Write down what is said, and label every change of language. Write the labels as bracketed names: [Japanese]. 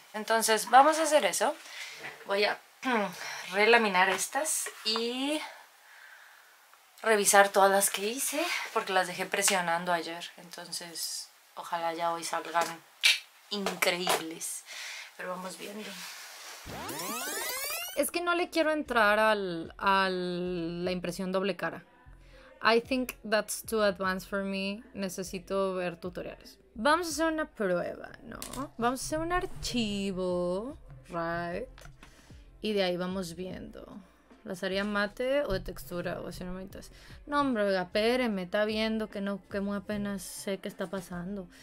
[Spanish] Entonces, vamos a hacer eso. Voy a relaminar estas y revisar todas las que hice, porque las dejé presionando ayer. Entonces, ojalá ya hoy salgan increíbles. Pero vamos viendo. Es que no le quiero entrar al la impresión doble cara. [English] I think that's too advanced for me. [Spanish] Necesito ver tutoriales. Vamos a hacer una prueba, ¿no? Vamos a hacer un archivo, right? Y de ahí vamos viendo. ¿Las haría mate o de textura? O así no me interesa. No, hombre, oiga, espéreme, está viendo que no, que muy apenas sé qué está pasando.